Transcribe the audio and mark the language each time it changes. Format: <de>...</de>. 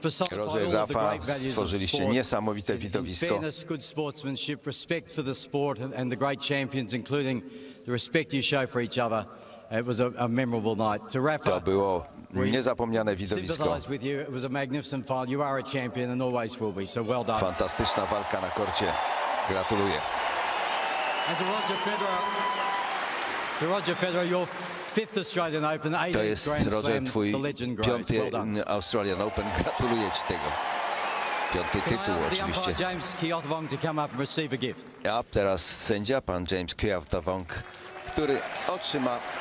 <pl>Roger, Rafa, stworzyliście niesamowite widowisko.</pl> <en>Fairness, good sportsmanship, respect for the sport and the great champions, including the respect you show for each other. It was a memorable night. To Rafa,</en> <pl>to było niezapomniane widowisko.</pl> <en>With you. It was a magnificent final. You are a champion and always will be. So well done.</en> <pl>Fantastyczna walka na korcie. Gratuluję.</pl> <en>And to Roger Federer. To Roger Federer, your fifth Australian Open, 18th Grand Slam.</en> <pl>To jest Roger, twój</pl> <en>legend,</en> <pl>piąty well Australian Open. Gratuluję ci tego. Piąty tytuł, oczywiście.</pl> <en>James Kiyotvong to come up and receive a gift.</en> <pl>Ja teraz sędzia, pan James Kiyotvong, który otrzyma</pl>